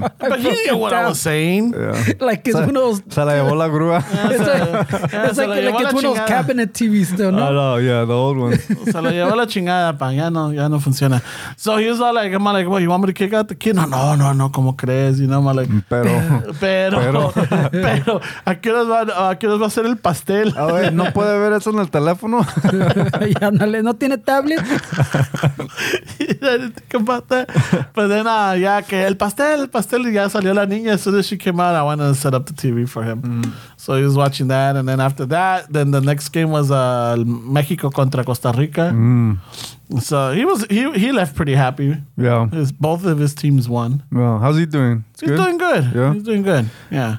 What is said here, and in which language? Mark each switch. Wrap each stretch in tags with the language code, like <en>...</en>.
<en>But you know what down. I was saying. Yeah. Like it's one of those.</en> <es>Se la llevó la grúa.</es> <en>It's like it's one of those cabinet TVs still, no? I know, yeah, the old ones.</en> <es>Se la llevó la chingada, pa. Ya no funciona.</es> <en>So he was all like, I'm like, well, you want me to kick out the kid?</en> <es>No, como crees?</es> <en>You know, I'm like.</en> <es>Pero, ¿a qué hora va a ser el pastel? A ver, ¿no puede ver eso en el teléfono? Ya, dale, ¿no tiene tablet? ¿Qué pasa? Pues de nada, ya que el pastel, ya salió la niña.</es> <en>As soon as she came out, I went and set up the TV for him. Mm. So he was watching that. And then after that, then the next game was México contra Costa Rica. Mm. So he left pretty happy. Yeah. Both of his teams won. Well, how's he doing? He's doing good. Yeah. He's doing good. Yeah.</en>